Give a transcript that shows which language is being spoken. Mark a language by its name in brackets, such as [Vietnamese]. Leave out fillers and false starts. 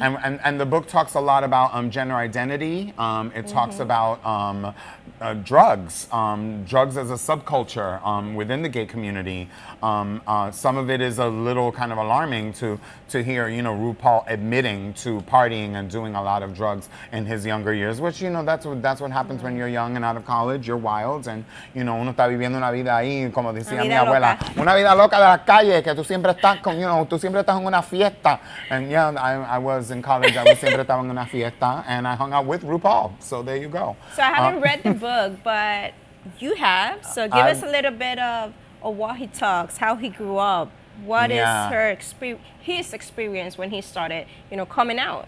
[English] And the book talks a lot about gender identity. It talks about drugs as a subculture within the gay community. Some of it is a little kind of alarming to hear, you know, RuPaul admitting to partying and doing a lot of drugs in his younger years, which, you know, that's what happens when you're young and out of college. You're wild and, you know, [Spanish] uno está viviendo una vida ahí, como decía mi abuela, una vida loca de la calle, que tú siempre estás con, [English] you know, [Spanish] tú siempre estás en una fiesta. [English] And yeah, I was in college, I was [Spanish] siempre estaba en una fiesta, [English] and I hung out with RuPaul, so there you go. So I haven't read the book, but you have, so give us a little bit of what he talks, how he grew up. What is his experience when he started, you know, coming out?